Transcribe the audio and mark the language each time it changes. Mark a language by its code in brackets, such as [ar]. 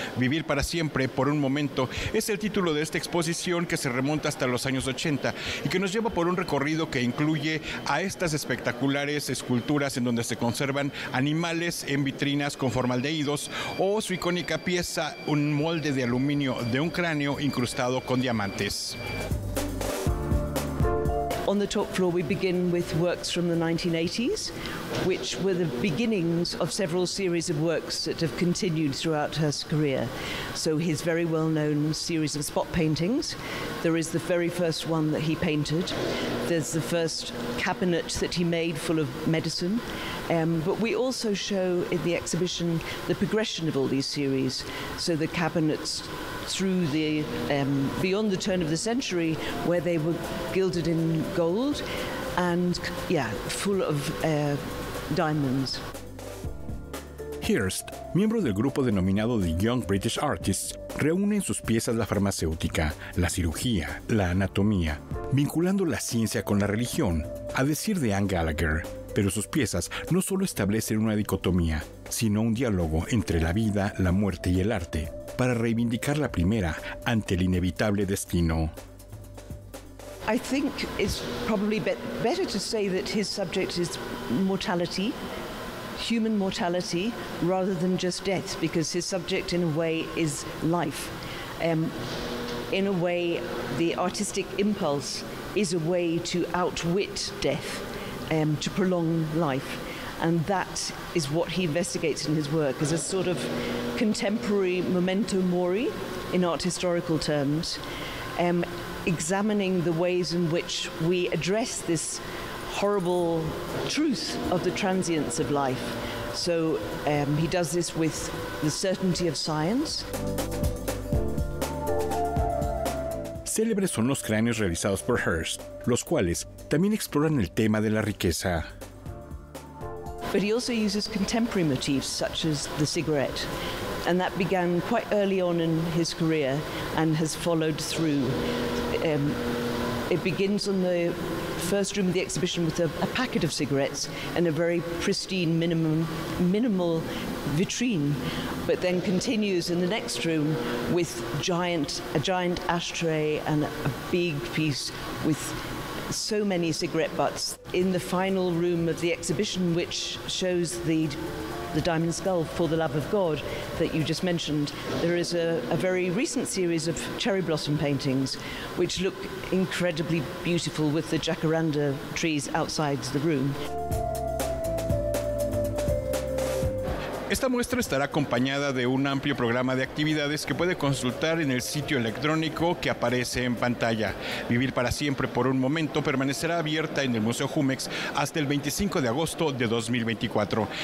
[es] Vivir para siempre, por un momento, es el título de esta exposición que se remonta hasta los años 80 y que nos lleva por un recorrido que incluye a estas espectaculares esculturas en donde se conservan animales en vitrinas con formaldehídos o su icónica pieza, un molde de aluminio de un cráneo incrustado con diamantes. [en] On the top floor, we begin with works from the 1980s, which were the beginnings of several series of works that have continued throughout Hirst's career. So his very well-known series of spot paintings. There is the very first one that he painted. There's the first cabinet that he made full of medicine. But we also show in the exhibition the progression of all these series. So the cabinets through the beyond the turn of the century, where they were gilded in gold and full of diamonds. [es] Hirst, miembro del grupo denominado The Young British Artists, reúne en sus piezas la farmacéutica, la cirugía, la anatomía, vinculando la ciencia con la religión, a decir de Anne Gallagher. Pero sus piezas no solo establecen una dicotomía, sino un diálogo entre la vida, la muerte y el arte, para reivindicar la primera ante el inevitable destino. [en] I think it's probably better to say that his subject is mortality, human mortality, rather than just death, because his subject, in a way, is life. In a way, the artistic impulse is a way to outwit death, to prolong life. And that is what he investigates in his work, as a sort of contemporary memento mori, in art historical terms, examining the ways in which we address this horrible truth of the transience of life. So he does this with the certainty of science. [es] Célebres son los cráneos realizados por Hirst, los cuales también exploran el tema de la riqueza. [en] But he also uses contemporary motifs such as the cigarette, and that began quite early on in his career and has followed through. It begins on the first room of the exhibition with a packet of cigarettes and a very pristine minimal vitrine, but then continues in the next room with a giant ashtray and a big piece with so many cigarette butts. In the final room of the exhibition, which shows the diamond skull for the love of God that you just mentioned, there is a very recent series of cherry blossom paintings which look incredibly beautiful with the jacaranda trees outside the room. [es] Esta muestra estará acompañada de un amplio programa de actividades que puede consultar en el sitio electrónico que aparece en pantalla. Vivir para siempre por un momento permanecerá abierta en el Museo Jumex hasta el 25 de agosto de 2024.